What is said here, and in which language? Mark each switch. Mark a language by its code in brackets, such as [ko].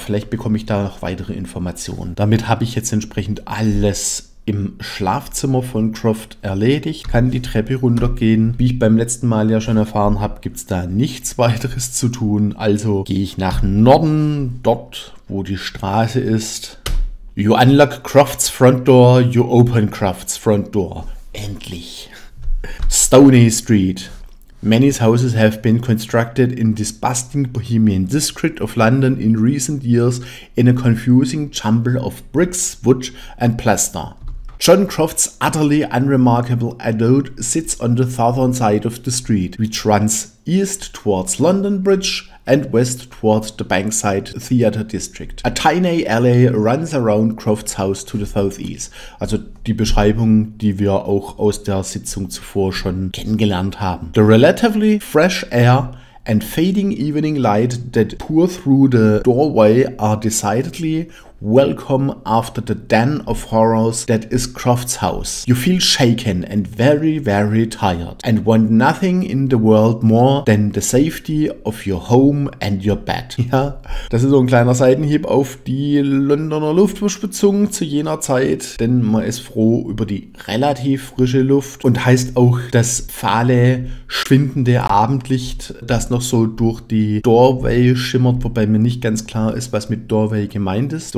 [de] Vielleicht bekomme ich da noch weitere Informationen. Damit habe ich jetzt entsprechend alles im Schlafzimmer von Croft erledigt, kann die Treppe runtergehen. Wie ich beim letzten Mal ja schon erfahren habe, gibt es da nichts weiteres zu tun. Also gehe ich nach Norden, dort, wo die Straße ist. [en] You unlock Croft's front door, you open Croft's front door. [de] Endlich. [en] Stoney Street. Many houses have been constructed in this bustling bohemian district of London in recent years in a confusing jumble of bricks, wood and plaster. John Croft's utterly unremarkable abode sits on the southern side of the street, which runs east towards London Bridge and west towards the Bankside Theatre District. A tiny alley runs around Croft's house to the southeast. [de] Also die Beschreibung, die wir auch aus der Sitzung zuvor schon kennengelernt haben. [en] The relatively fresh air and fading evening light that pour through the doorway are decidedly welcome after the den of horrors that is Croft's house. You feel shaken and very, very tired and want nothing in the world more than the safety of your home and your bed. [de] Ja, das ist so ein kleiner Seitenhieb auf die Londoner Luftwäsche bezogen zu jener Zeit, denn man ist froh über die relativ frische Luft und heißt auch das fahle, schwindende Abendlicht, das noch so durch die Doorway schimmert, wobei mir nicht ganz klar ist, was mit Doorway gemeint ist.